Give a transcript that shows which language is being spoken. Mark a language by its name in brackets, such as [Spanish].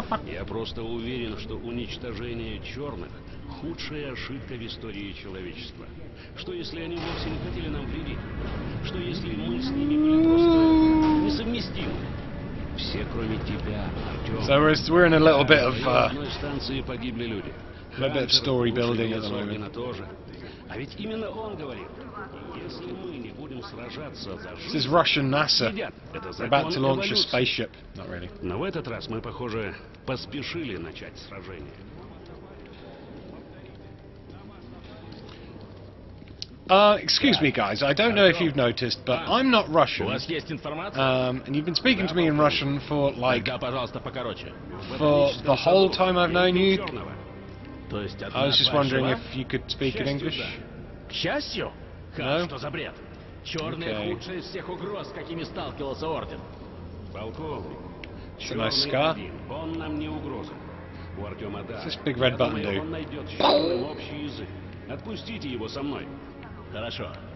[Russian] Я просто уверен, что уничтожение чёрных — худшая ошибка в истории человечества. Что если они вовсе не хотели нам вредить? Что если мы с ними были просто несовместимы? Все кроме тебя, Артём. [English] So we're in a little bit of... [Russian] одной станции погибли люди. [English] A bit of story building at the moment. [Russian] А ведь именно он говорил... Если мы не будем сражаться за жизнь, [English] this is Russian NASA. They're about to launch a spaceship. Not really. [Russian] Но в этот раз мы, похоже, поспешили начать сражение. [English] Excuse me, guys. I don't know if you've noticed, but I'm not Russian. And you've been speaking to me in Russian for like, for the whole time I've known you. I was just wondering if you could speak in English. [Russian] К счастью. Что за бред? Черные худшие из всех угроз, какими сталкивался орден. Полковник. Черный один. Он нам не угроза. У Артема да. [English] This big red button, dude. [Russian] Он найдет с черным общий язык. Отпустите его со мной. Хорошо.